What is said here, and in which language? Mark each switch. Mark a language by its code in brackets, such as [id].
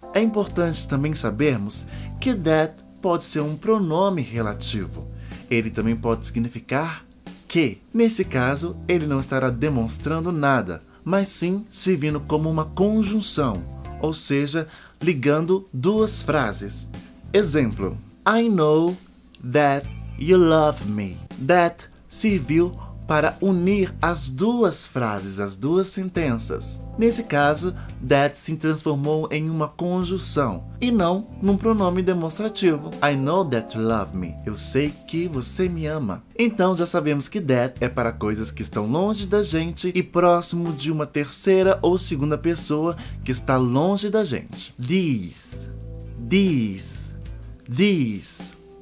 [pt] É importante também sabermos que that pode ser um pronome relativo. Ele também pode significar que. Nesse caso, ele não estará demonstrando nada, mas sim servindo como uma conjunção, ou seja, ligando duas frases. [en] Exemplo: I know that you love me. [pt] That serviu para unir as duas frases, as duas sentenças. Nesse caso, that se transformou em uma conjunção e não num pronome demonstrativo. [en] I know that you love me. [pt] Eu sei que você me ama. Então, já sabemos que that é para coisas que estão longe da gente e próximo de uma terceira ou segunda pessoa que está longe da gente. This. This. This.